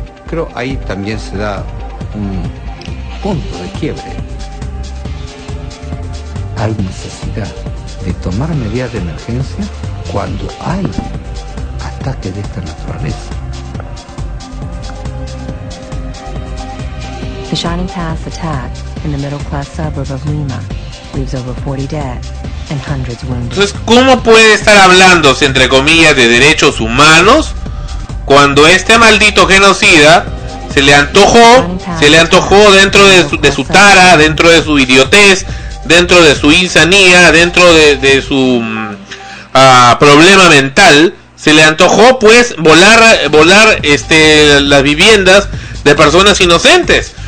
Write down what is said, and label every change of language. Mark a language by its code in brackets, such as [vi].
[es] Creo ahí también se da un punto de quiebre. Hay necesidad de tomar medidas de emergencia cuando hay ataques de esta naturaleza. [en] Shining Path's attack in the middle-class suburb of Lima leaves over 40 dead and hundreds wounded. [es] Entonces, ¿cómo puede estar hablando, entre comillas, de derechos humanos cuando este maldito genocida se le antojó dentro de su tara, dentro de su idiotez, dentro de su insanía, dentro de su problema mental, se le antojó pues volar las viviendas de personas inocentes?